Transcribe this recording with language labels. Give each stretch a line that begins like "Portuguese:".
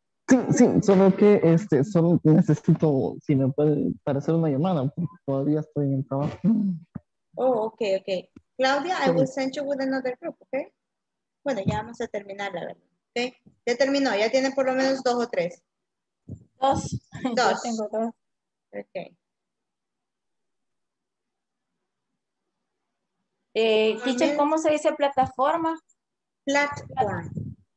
Spanish: Sí, sí, solo que solo necesito, si me puede, para hacer una llamada, porque todavía estoy en trabajo.
English: Oh, okay, okay. Claudia, I will send you with another group, okay?
Spanish: Bueno, ya vamos a terminar, la verdad.
English: Okay?
Spanish: Ya terminó, ya tiene por lo menos dos o tres. Dos. Dos. Tengo dos.
English: Okay. Teacher,
Spanish: ¿cómo se dice plataforma?
English: Platform.